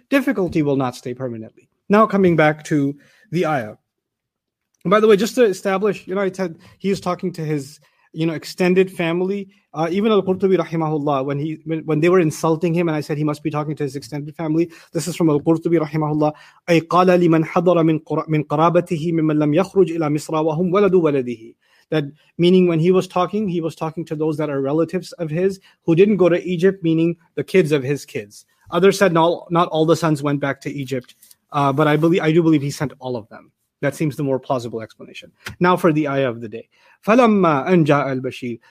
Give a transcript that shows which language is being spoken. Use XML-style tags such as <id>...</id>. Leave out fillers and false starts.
<en>Difficulty will not stay permanently. Now coming back to the ayah. And by the way, just to establish, you know, I said he is talking to his, you know, extended family. Even Al-Qurtubi rahimahullah, when they were insulting him, and I said he must be talking to his extended family. This is from Al-Qurtubi rahimahullah.</en> <ar>أي قال لمن حضر من قرابته ممن لم يخرج إلى مصر وهم ولد ولده.</ar> <en>That meaning when he was talking to those that are relatives of his who didn't go to Egypt, meaning the kids of his kids. Others said not all the sons went back to Egypt, but I do believe he sent all of them. That seems the more plausible explanation. Now for the ayah of the day.</en> <ar>فَلَمَّا أَنْجَاءَ الْبَشِيرُ.</ar>